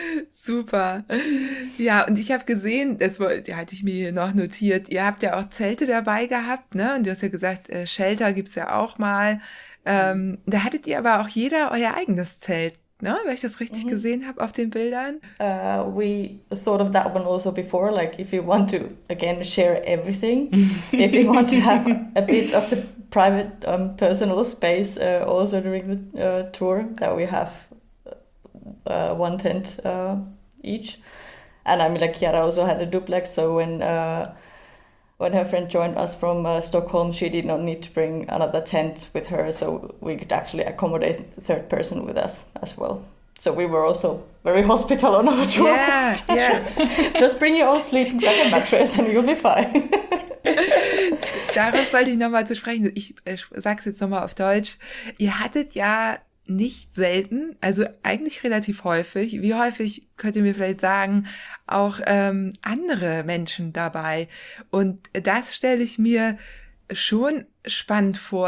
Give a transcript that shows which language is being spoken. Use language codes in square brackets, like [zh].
[de] Super. Ja, und ich habe gesehen, hatte ich mir hier noch notiert, ihr habt ja auch Zelte dabei gehabt, ne? Und du hast ja gesagt, Shelter gibt's ja auch mal. Da hattet ihr aber auch jeder euer eigenes Zelt, ne? Wenn ich das richtig gesehen habe auf den Bildern. [en] We thought of that one also before, like if you want to again share everything, if you want to have a bit of the private personal space also during the tour that we have. One tent each, and I mean, like Chiara also had a duplex. So when her friend joined us from Stockholm, she did not need to bring another tent with her, so we could actually accommodate a third person with us as well. So we were also very hospitable on our tour. Yeah, yeah. Just bring your own sleeping bag and mattress, and you'll be fine. [de] Darauf wollte ich nochmal zu sprechen. Ich sag's jetzt nochmal auf Deutsch. Ihr hattet ja nicht selten, also eigentlich relativ häufig, wie häufig könnt ihr mir vielleicht sagen, auch andere Menschen dabei. Und das stelle ich mir schon spannend vor.